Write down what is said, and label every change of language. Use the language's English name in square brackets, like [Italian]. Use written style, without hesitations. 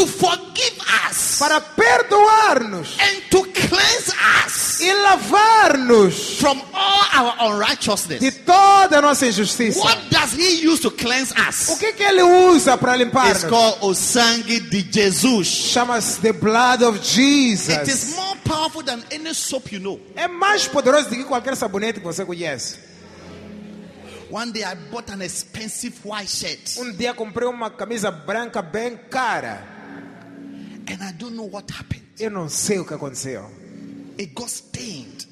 [English] to forgive us, [Portuguese] para perdoar-nos, [English] and to cleanse us, [Portuguese] e lavar-nos [English] from all our unrighteousness, [Portuguese] de toda a nossa injustiça. [English] What does he use to cleanse us? [Portuguese] O que que ele usa para limpar-nos? [English] It's called [Portuguese] o sangue de Jesus. Chama-se [English] the blood of Jesus. It is more powerful than any soap you know. [Portuguese] É mais poderoso do que qualquer sabonete que você conhece. [English] One day I bought an expensive white shirt. [Portuguese] Um dia comprei uma camisa branca bem cara. [English] And I don't know what happened. [Portuguese] Eu não sei o que aconteceu. [English] It got stained.